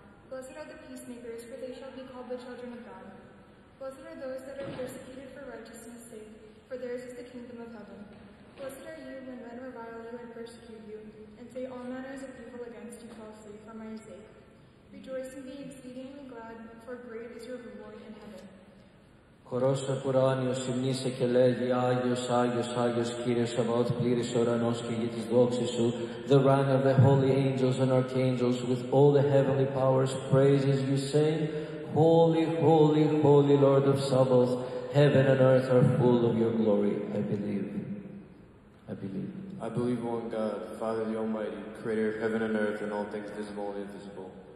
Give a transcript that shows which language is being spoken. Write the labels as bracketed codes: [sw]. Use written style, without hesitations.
[en] Blessed are the peacemakers, for they shall be called the children of God. Blessed are those that are persecuted for righteousness' sake, for theirs is the kingdom of heaven. Blessed are you when men revile you and persecute you, and say all manners of evil against you falsely, for my sake. Rejoice and be exceedingly glad, for great is your reward in heaven. [el] Χωρός ο ουράνιος υμνήσε και λέγει Άγιος, Άγιος, Άγιος Κύριος Σαββαώτ πλήρης ουρανός και γη της δόξης Σου. [en] The rank of the holy angels and archangels with all the heavenly powers praises You saying, Holy, Holy, Holy Lord of Sabbath, heaven and earth are full of Your glory. I believe. I believe. I believe one God, Father the Almighty, creator of heaven and earth and all things visible and invisible.